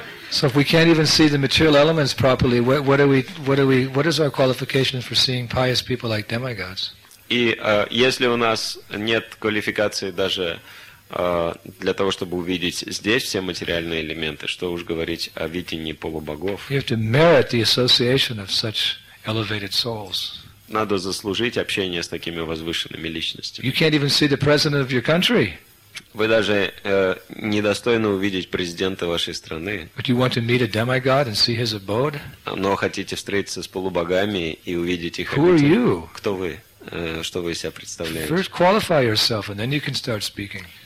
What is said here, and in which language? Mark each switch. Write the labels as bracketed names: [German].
[English] So if we can't even see the material elements properly, what is our qualification for seeing pious people like demigods? [Russian] И если у нас нет квалификации даже для того, чтобы увидеть здесь все материальные элементы, что уж говорить о видении полубогов? [English] You have to merit the association of such elevated souls. [Russian] Надо заслужить общение с такими возвышенными личностями. [English] You can't even see the president of your country. [Russian] Вы даже недостойны увидеть президента вашей страны. Но хотите встретиться с полубогами и увидеть их обитель? Кто вы? Что вы из себя представляете?